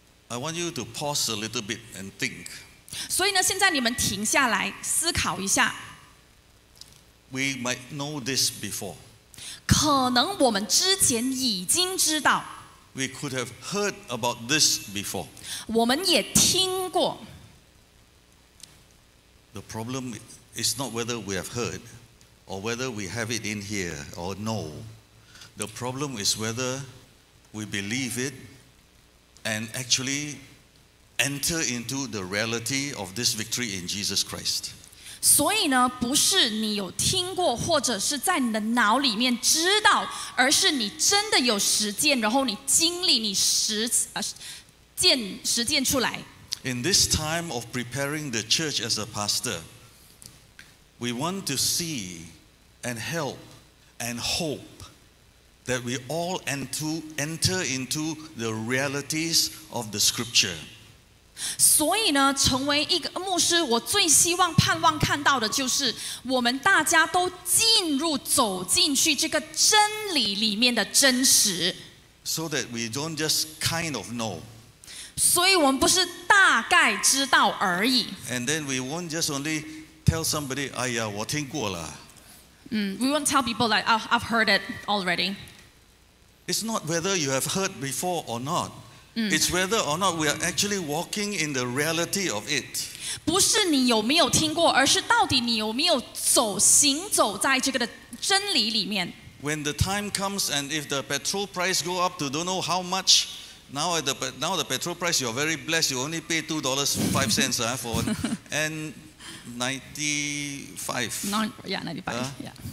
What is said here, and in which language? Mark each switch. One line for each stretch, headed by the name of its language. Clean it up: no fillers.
English: I want you to pause a little bit and think.
Chinese: 所以呢，现在你们停下来思考一下。
English: We might know this before.
Chinese: 可能我们之前已经知道。
English: We could have heard about this before.
Chinese: 我们也听过。
English: The problem is not whether we have heard or whether we have it in here or no. The problem is whether we believe it and actually enter into the reality of this victory in Jesus Christ.
Chinese: 所以呢，不是你有听过或者是在你的脑里面知道，而是你真的有实践，然后你经历，你实践出来。
English: In this time of preparing the church as a pastor, we want to see and help and hope that we all enter into the realities of the scripture.
Chinese: 所以呢，成为一个牧师，我最希望、盼望看到的就是我们大家都进入、走进去这个真理里面的真实。
English: So that we don't just kind of know.
Chinese: 所以我们不是大概知道而已。
English: And then we won't just only tell somebody,
Chinese: 哎呀，我听过了。
English: We won't tell people like, I've heard it already. It's not whether you have heard before or not. It's whether or not we are actually walking in the reality of it.
Chinese: 不是你有没有听过，而是到底你有没有走、行走在这个的真理里面。
English: When the time comes and if the petrol price go up to don't know how much, now the petrol price you are very blessed, you only pay $2.05 for N95.